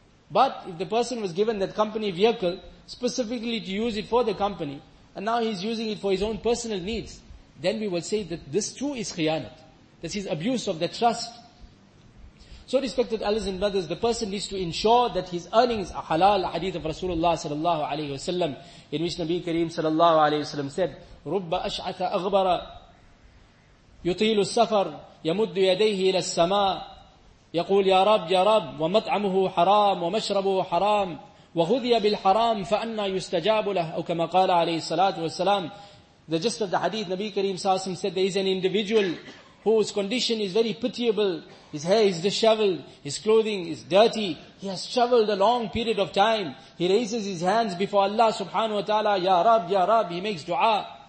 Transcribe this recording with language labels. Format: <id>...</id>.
<en>But if the person was given that company vehicle specifically to use it for the company, and now he's using it for his own personal needs, then we will say that this too is khiyanat. This is abuse of the trust. So respected elders and brothers, the person needs to ensure that his earnings are halal. A hadith of Rasulullah sallallahu alayhi wa sallam, in which Nabi Kareem sallallahu alayhi wa sallam said,</en> <ar>رُبَّ أَشْعَثَ أَغْبَرَ يُطِيلُ السَّفَرِ يَمُدُّ يَدَيْهِ إِلَى السَّمَاءِ يَقُولُ يَا رَبِّ يَا رَبِّ وَمَطْعَمُهُ حَرَامُ وَمَشْرَبُهُ حَرَامُ وَهُذِيَ بِالْحَرَامِ فَأَنَّا يُسْتَجَابُ لَهُ أَوْ كَمَا قَالَ عَلَيْهِ الصَّلَاةُ وَالسَّلَامُ.</ar> <en>The gist of the hadith, Nabi Kareem sallallahu alayhi wa sallam said, there is an individual whose condition is very pitiable. His hair is disheveled. His clothing is dirty. He has traveled a long period of time. He raises his hands before Allah subhanahu wa ta'ala.</en> <ar>Ya Rab, Ya Rab.</ar> <en>He makes dua.</en>